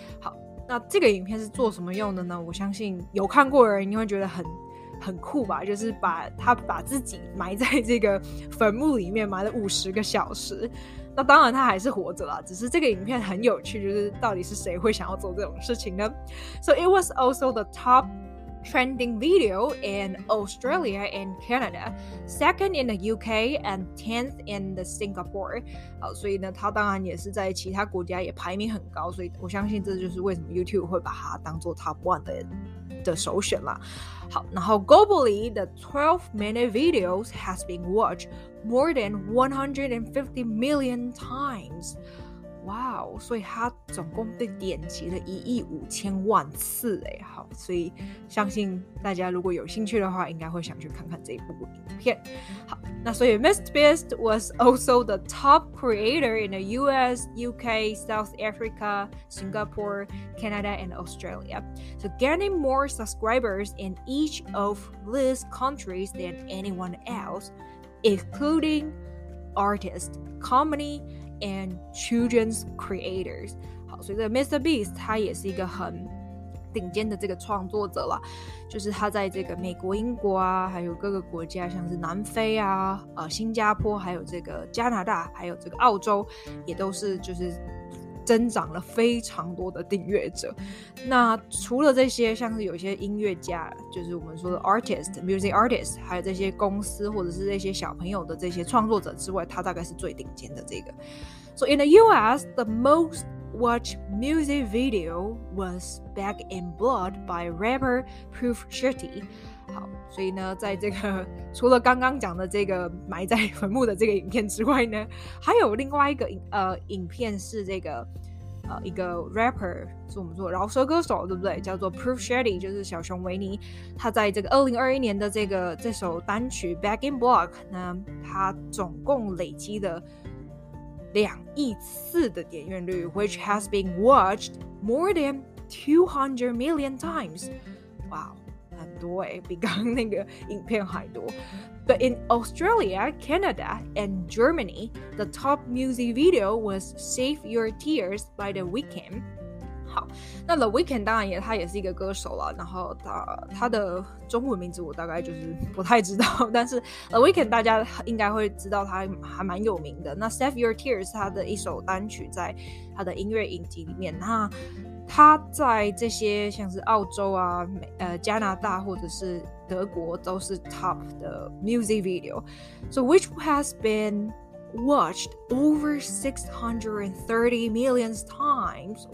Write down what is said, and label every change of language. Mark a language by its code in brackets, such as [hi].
[zh] 好，那这个影片是做什么用的呢？我相信有看过的人你会觉得很酷吧，就是把他把自己埋在这个坟墓里面埋了50个小时。那当然他还是活着啦，只是这个影片很有趣，就是到底是谁会想要做这种事情呢？ [en] So it was also the top trending video in Australia and Canada, second in the UK and 10th in the Singapore. [zh] 好，所以呢，它当然也是在其他国家也排名很高，所以我相信这就是为什么 YouTube 会把它当做 top one 的首选啦。好，然后 [en] globally, the 12 minute videos has been watched more than 150 million times. [zh] Wow, 所以它总共被点击了1.5亿次耶。好，所以相信大家如果有兴趣的话，应该会想去看看这部影片。好，那所以 [en] MrBeast was also the top creator in the US, UK, South Africa, Singapore, Canada, and Australia. So gaining more subscribers in each of these countries than anyone else, including artists, comedy, and children's creators. [zh] 好，所以这个 [en] Mr. [zh] Beast 他也是一个很顶尖的这个创作者啦，就是他在这个美国、英国啊，还有各个国家，像是南非啊、新加坡，还有这个加拿大，还有这个澳洲，也都是就是增长了非常多的订阅者。那除了这些，像是有些音乐家，就是我们说的 artist, music artist, 还有这些公司或者是这些小朋友的这些创作者之外，他大概是最顶尖的这个。 [en] So in the US, the most watched music video was Back in Blood by rapper Proof Shitty. [zh] 好，所以呢，在这个除了刚刚讲的这个埋在坟墓的这个影片之外呢，还有另外一个影片是这个一个 rapper, 是我们说饶舌歌手，对不对？叫做 Proof Shitty, 就是小熊维尼。他在这个2021年的这首单曲 Back in Blood 呢，他总共累积的2亿次的点阅率 ， [en] which has been watched more than 200 million times. [zh] Wow, 很多哎，比刚刚那个影片还多。 [en] But in Australia, Canada, and Germany, the top music video was "Save Your Tears" by The Weeknd. [zh] 好，那 The Weeknd 当然他也是一个歌手了，然后他的中文名字我大概就是不太知道，但是 The Weeknd 大家应该会知道他还蛮有名的。那 Save Your Tears 他的一首单曲在他的音乐影集里面，那他在这些像是澳洲啊、加拿大或者是德国都是 top 的 music video, [en] so which has been watched over 630 million times.